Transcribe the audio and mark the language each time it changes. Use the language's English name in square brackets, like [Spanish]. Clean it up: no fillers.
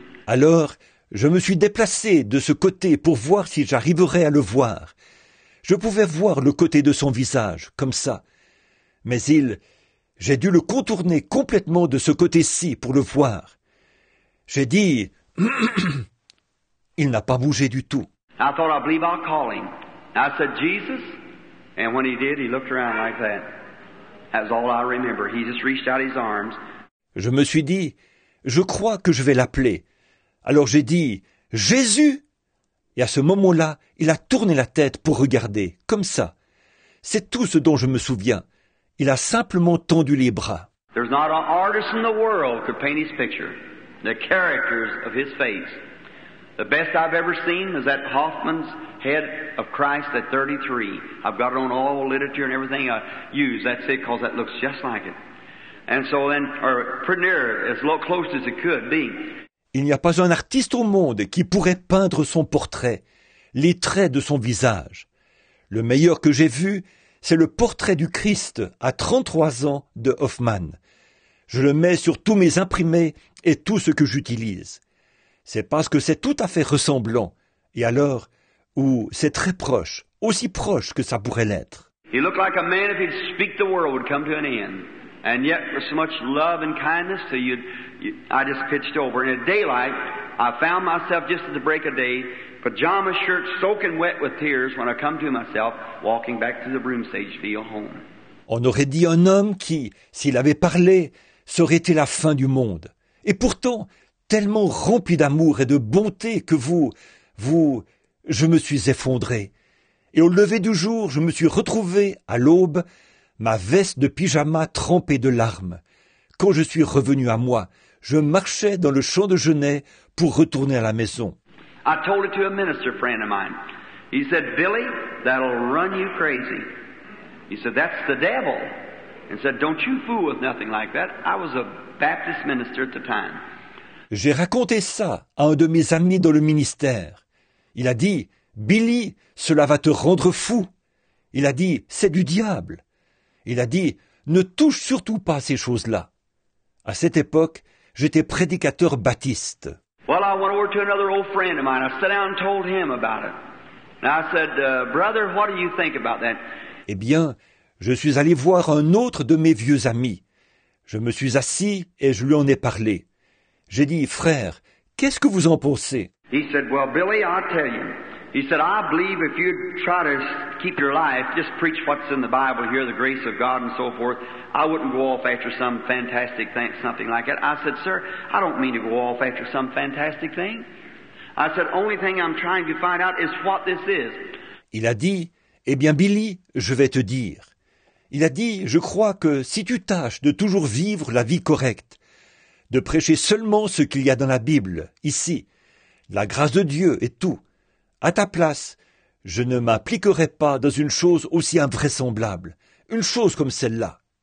[French] Alors, je me suis déplacé de ce côté pour voir si j'arriverais à le voir. Je pouvais voir le côté de son visage, comme ça. Mais il... J'ai dû le contourner complètement de ce côté-ci pour le voir. J'ai dit, il n'a pas bougé du tout. [English] I thought, I believe I'll call him. I said, Jesus. And when he did, he looked around like that. That's all I remember. He just reached out his arms. [French] Je me suis dit, je crois que je vais l'appeler. Alors j'ai dit, Jésus. Et à ce moment-là, il a tourné la tête pour regarder, comme ça. C'est tout ce dont je me souviens. Il a simplement tendu les bras. [English] There's not an artist in the world could paint his picture, the characters of his face. The best I've ever seen is that Hoffman's head of Christ at 33. I've got it on all literature and everything I use. That's it, because that looks just like it. And so then, or pretty near, as close as it could be. [French] Il n'y a pas un artiste au monde qui pourrait peindre son portrait, les traits de son visage. Le meilleur que j'ai vu, c'est le portrait du Christ à 33 ans de Hoffman. Je le mets sur tous mes imprimés et tout ce que j'utilise. C'est parce que c'est tout à fait ressemblant. Et alors, ou c'est très proche, aussi proche que ça pourrait l'être. [English] He looked like a man if he'd speak the world would come to an end. And yet, with so much love and kindness, so I just pitched over. And at daylight, I found myself just at the break of day, pajama shirt soaking wet with tears when I come to myself, walking back to the broom sage field home. [French] On aurait dit un homme qui, s'il avait parlé, serait été la fin du monde. Et pourtant, tellement rempli d'amour et de bonté que vous, je me suis effondré. Et au lever du jour, je me suis retrouvé, à l'aube, ma veste de pyjama trempée de larmes. Quand je suis revenu à moi, je marchais dans le champ de Genêt pour retourner à la maison. [English] I told it to a minister friend of mine. He said, Billy, that'll run you crazy. He said, that's the devil. And said, don't you fool with nothing like that. I was a Baptist minister at the time. [French] J'ai raconté ça à un de mes amis dans le ministère. Il a dit, Billy, cela va te rendre fou. Il a dit, c'est du diable. Il a dit, ne touche surtout pas à ces choses-là. À cette époque, j'étais prédicateur baptiste. [English] Well, I went over to another old friend of mine. I sat down and told him about it. And I said, brother, what do you think about that? [French] Eh bien, je suis allé voir un autre de mes vieux amis. Je me suis assis et je lui en ai parlé. J'ai dit, frère, qu'est-ce que vous en pensez? [English] He said, well, Billy, I'll tell you. He said, I believe if you try to keep your life, just preach what's in the Bible here, the grace of God and so forth, I wouldn't go off after some fantastic thing, something like that. I said, sir, I don't mean to go off after some fantastic thing. I said, only thing I'm trying to find out is what this is. [French] Il a dit, eh bien, Billy, je vais te dire. Il a dit, je crois que si tu tâches de toujours vivre la vie correcte, de prêcher seulement ce qu'il y a dans la Bible, ici, la grâce de Dieu et tout, à ta place, je ne m'impliquerai pas dans une chose aussi invraisemblable, une chose comme celle-là.